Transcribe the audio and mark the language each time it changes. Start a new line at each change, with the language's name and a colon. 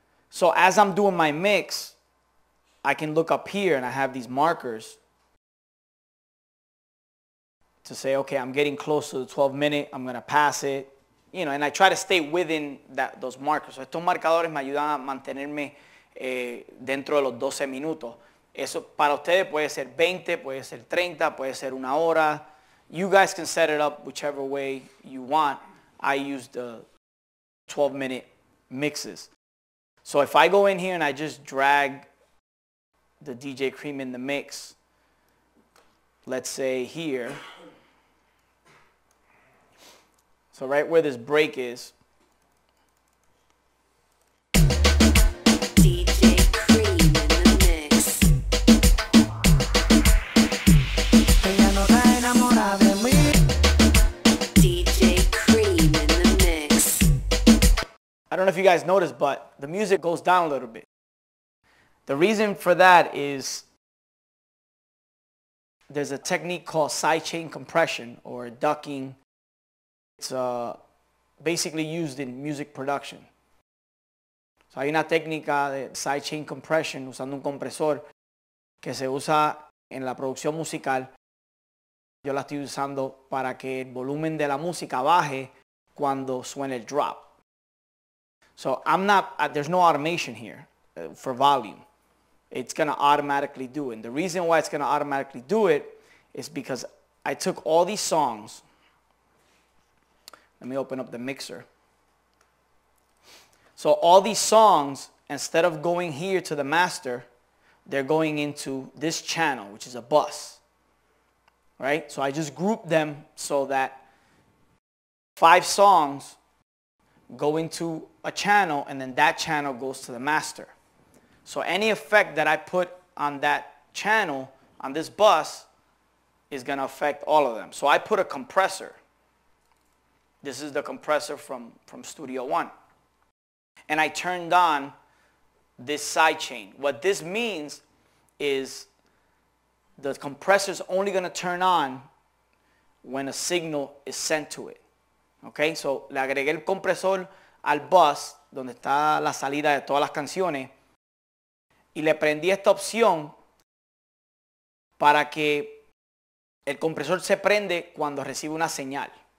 English: So as I'm doing my mix, I can look up here and I have these markers to say, okay, I'm getting close to the 12 minute, I'm going to pass it, you know, and I try to stay within that, those markers.
Spanish: So estos marcadores me ayudan a mantenerme dentro de los 12 minutos. Eso para ustedes puede ser 20, puede ser 30, puede ser una hora.
English: You guys can set it up whichever way you want. I use the 12 minute mixes. So if I go in here and I just drag the DJ Creme in the mix, let's say here. So right where this break is. DJ Creme in the mix.
Spanish: Ella no está enamorada de mí.
English: DJ Creme in the mix. I don't know if you guys noticed, but the music goes down a little bit. The reason for that is there's a technique called sidechain compression or ducking. It's basically used in music production.
Spanish: So hay una técnica de sidechain compression usando un compresor que se usa en la producción musical. Yo la estoy usando para que el volumen de la música baje cuando suene el drop.
English: So I'm not, there's no automation here for volume. It's going to automatically do it. And the reason why it's going to automatically do it is because I took all these songs. Let me open up the mixer. So all these songs, instead of going here to the master, they're going into this channel, which is a bus. Right? So I just grouped them so that five songs go into a channel, and then that channel goes to the master. So any effect that I put on that channel, on this bus, is going to affect all of them. So I put a compressor. This is the compressor from Studio One. And I turned on this sidechain. What this means is the compressor is only going to turn on when a signal is sent to it.
Spanish: Okay, so le agregué el compresor al bus, donde está la salida de todas las canciones. Y le prendí esta opción para que el compresor se prende cuando recibe una señal.